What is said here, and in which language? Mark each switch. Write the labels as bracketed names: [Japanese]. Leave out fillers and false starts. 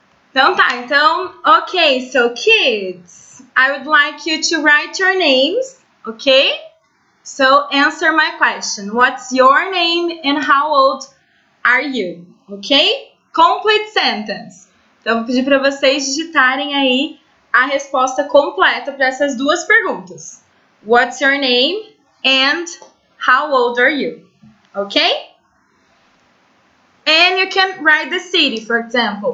[Portuguese] Então tá, então, [English] okay, so kids, I would like you to write your names, okay? So answer my question. What's your name and how old are you? Okay? Complete sentence. [Portuguese] Então, vou pedir para vocês digitarem aí a resposta completa para essas 2 perguntas. [English] What's your name and how old are you? Okay? And you can write the city, for example.